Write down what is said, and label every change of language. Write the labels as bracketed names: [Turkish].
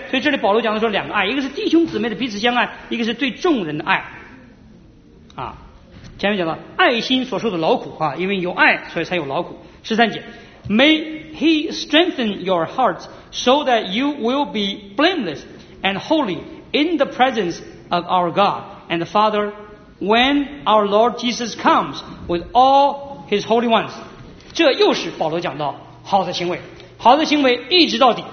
[Chinese] 所以这里保罗讲的说两个爱，一个是弟兄姊妹的彼此相爱，一个是对众人的爱啊。前面讲到爱心所受的劳苦啊，因为有爱所以才有劳苦。十三节， [English] May he strengthen your hearts so that you will be blameless and holy in the presence of our God and the Father when our Lord Jesus comes with all his holy ones。 [Chinese] 这又是保罗讲到好的行为，好的行为一直到底。